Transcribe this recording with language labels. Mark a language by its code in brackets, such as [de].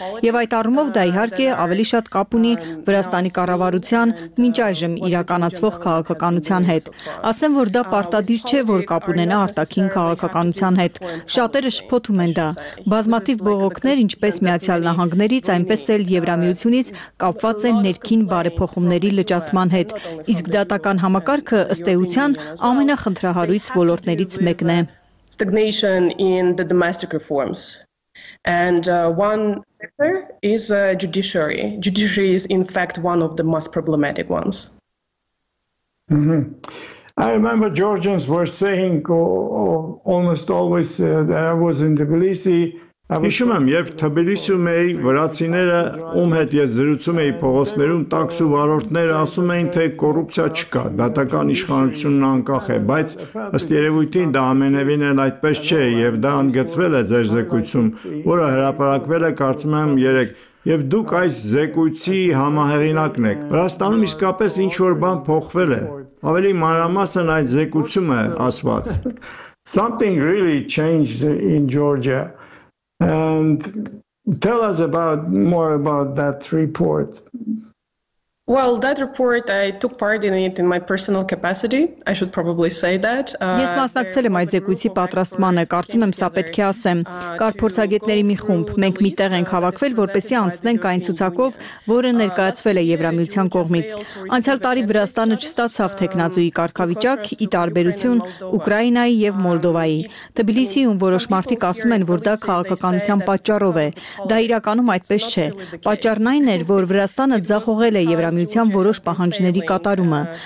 [hy] եւ այդ առումով դա իհարկե ավելի շատ կապ ունի Վրաստանի կառավարության մինչ այժմ իրականացվող քաղաքականության հետ։ Ասեմ, որ դա պարտադիր չէ, որ կապ ունենա արտաքին քաղաքականության հետ։ Շատերը շփոթում են դա։ Բազմաթիվ բողոքներ, ինչպես Միացյալ Նահանգներից, այնպես էլ Եվրամիությունից, կապված են ներքին բարեփոխումների լճացման հետ, իսկ դատական համակարգը ըստ էության ամենախնդրահարույց ոլորտներից մեկն է։ [en] Stagnation in the domestic reforms. And one sector is judiciary. Judiciary is in fact one of the most problematic ones. Mm-hmm. I remember Georgians were saying almost always that I was in Tbilisi. [hy] Հիշում եմ, երբ Թբիլիսիում էի, վրացիները, ում հետ ես զրուցում էի փողոցներում, տաքսու վարորդները ասում էին, թե կոռուպցիա չկա, դատական իշխանությունն անկախ է, բայց ըստ երևույթին դա ամենևին էլ այդպես չէ, և դա ընդգծվել է ձեր զեկույցում, որը հրապարակվել է, կարծում եմ, երեք, և դուք այս զեկույցի համահեղինակն եք։ Վրաստանում իսկապես ինչ-որ բան փոխվել է, ավելի մանրամասն այդ զեկույցը ասված։ [en] Something really changed in Georgia. And tell us about more about that report. Well, that report, I took part in it in my personal capacity. I should probably say that. [hy] Ես մասնակցել եմ այս զեկույցի պատրաստմանը, կարծում եմ, սա պետք է ասեմ։ Կար փորձագետների մի խումբ, մենք մի տեղ ենք հավաքվել, որպեսզի անցնենք այն ցուցակով, որը ներկայացվել է Եվրամիության կողմից։ Անցյալ տարի Վրաստանը չստացավ տեխնազույի կարգավիճակ ի տարբերություն Ուկրաինայի եւ Մոլդովայի։ Թբիլիսիում որոշ մարդիկ ասում են, որ դա քաղաքականության պատճառով է։ Դա իրականում այդպես չէ։ Պատճառն այն էր, որ Վրաստանը ձախողել է Եվրամիության որոշ պահանջների կատարումը։